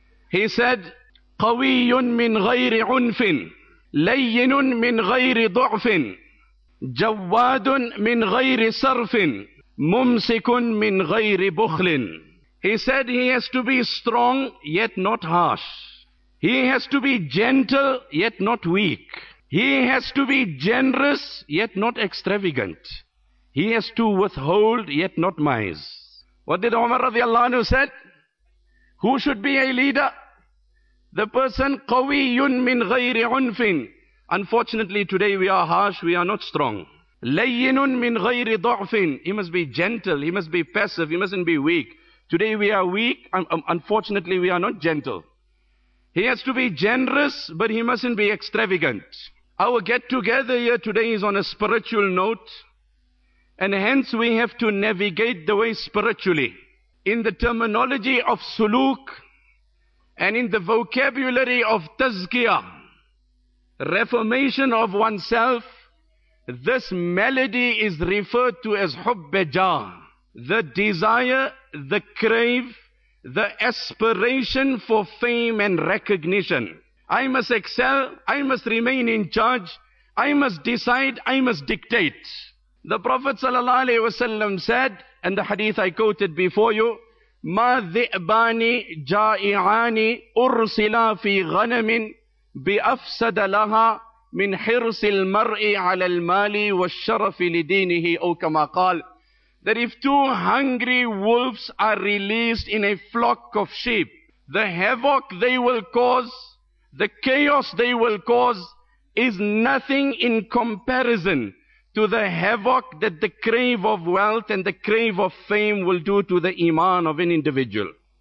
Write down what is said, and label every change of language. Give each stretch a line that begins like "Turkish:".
English: He said,
Arabic: قَوِيٌّ مِنْ غَيْرِ عُنْفٍ لَيِّنٌ مِنْ غَيْرِ ضُعْفٍ جَوَّادٌ مِنْ غَيْرِ صَرْفٍ مُمْسِكٌ مِنْ غَيْرِ بُخْلٍ.
English: He said he has to be strong yet not harsh. He has to be gentle yet not weak. He has to be generous yet not extravagant. He has to withhold yet not mise. What did Umar radiallahu anhu said? Who should be a leader? The person
Arabic: قَوِيٌّ مِنْ غَيْرِ عُنْفٍ.
English: Unfortunately today we are harsh, we are not strong.
Arabic: لَيِّنٌ مِنْ غَيْرِ ضُعْفٍ.
English: He must be gentle, he must be passive, he mustn't be weak. Today we are weak, unfortunately we are not gentle. He has to be generous, but he mustn't be extravagant. Our get-together here today is on a spiritual note, and hence we have to navigate the way spiritually. In the terminology of suluk, and in the vocabulary of tazkiyah, reformation of oneself, this malady is referred to as hubbejah, the desire, the crave, the aspiration for fame and recognition. I must excel, I must remain in charge, I must decide, I must dictate. The Prophet sallallahu alaihi wasallam said, and the hadith I quoted before you,
Arabic: مَا ذِئْبَانِ جَائِعَانِ أُرْسِلَا فِي غَنَمٍ بِأَفْسَدَ لَهَا مِنْ حِرْسِ الْمَرْءِ عَلَى الْمَالِ وَالشَّرَفِ لِدِينِهِ أَوْ كَمَا قَالَ.
English: That if two hungry wolves are released in a flock of sheep, the havoc they will cause, the chaos they will cause, is nothing in comparison to the havoc that the crave of wealth and the crave of fame will do to the iman of an individual.